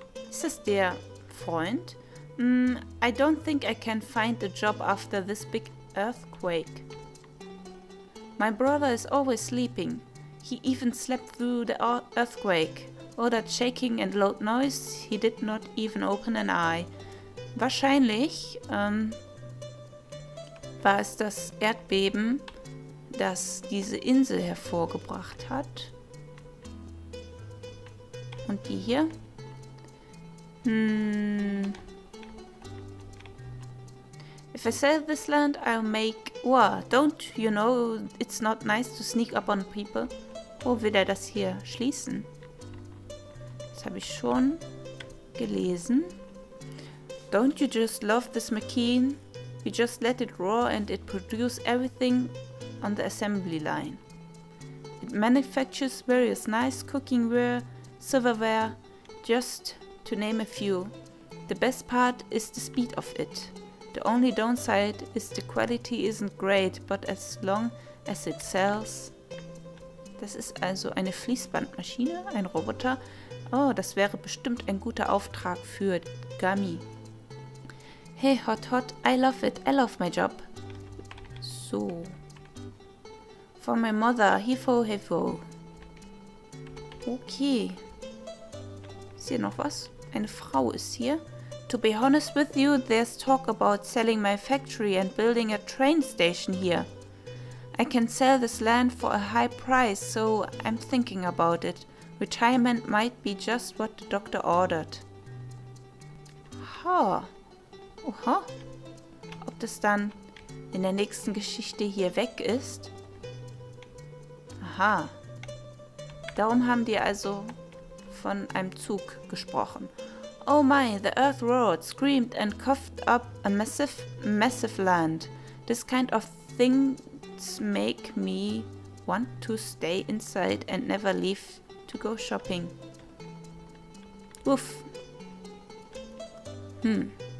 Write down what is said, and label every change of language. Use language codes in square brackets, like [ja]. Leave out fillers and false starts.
[de] Ist das der Freund? [en] I don't think I can find a job after this big earthquake. My brother is always sleeping. He even slept through the earthquake. All that shaking and loud noise, he did not even open an eye. [de] Wahrscheinlich war es das Erdbeben, das diese Insel hervorgebracht hat. Und die hier? [en] If I sell this land, I'll make Wow, don't you know it's not nice to sneak up on people? [de] Oh, will er das hier schließen? Das habe ich schon gelesen. [en] Don't you just love this machine? We just let it roar and it produces everything on the assembly line. It manufactures various nice cookingware, silverware, just to name a few. The best part is the speed of it. The only downside is the quality isn't great, but as long as it sells. [de] Das ist also eine Fließbandmaschine, ein Roboter. Oh, das wäre bestimmt ein guter Auftrag für Gummy. [en] Hey, Hot Hot, I love it. I love my job. So. For my mother, hefo, hefo. Okay. [de] Ist hier noch was? Eine Frau ist hier. [en] To be honest with you, there's talk about selling my factory and building a train station here. I can sell this land for a high price, so I'm thinking about it. Retirement might be just what the doctor ordered. Ha. Huh. Oha. [de] Ob das dann in der nächsten Geschichte hier weg ist? Aha. Darum haben die also von einem Zug gesprochen. [en] Oh my, the earth roared, screamed and coughed up a massive, massive land. This kind of things make me want to stay inside and never leave to go shopping. Uff. Hm.